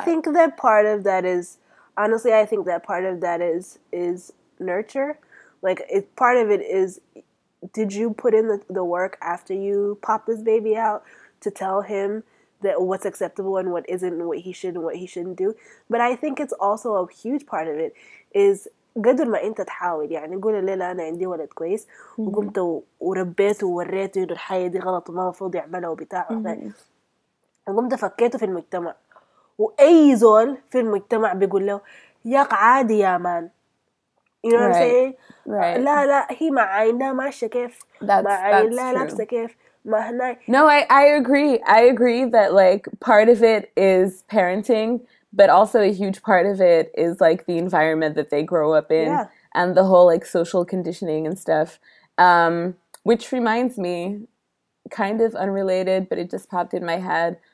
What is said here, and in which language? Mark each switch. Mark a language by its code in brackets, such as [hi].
[en] I think that part of that is, honestly, I think that part of that is nurture. Like, part of it is, did you put in the work after you pop this baby out to tell him that what's acceptable and what isn't and what he should and what he shouldn't do? But I think it's also a huge part of it is [ar] قدر ما انت تحاول, يعني قول الليلة انا عندي ولد كويس وقمت وربيته ووريته انه الحياة دي غلط وما المفروض يعملها وبتاعه وقمت فكيته في المجتمع, واي زول في المجتمع بيقول له ياك عادي يا مان. [en] You know right. what I'm saying? Right. [ar] لا لا هي ما عينها ما شكيف ما عين لا لابسة كيف ما هنا. [en] No, I agree. I agree that like part of it is parenting, but also a huge part of it is like the environment that they grow up in. Yeah. and the whole like social conditioning and stuff. Which reminds me, kind of unrelated, but it just popped in my head.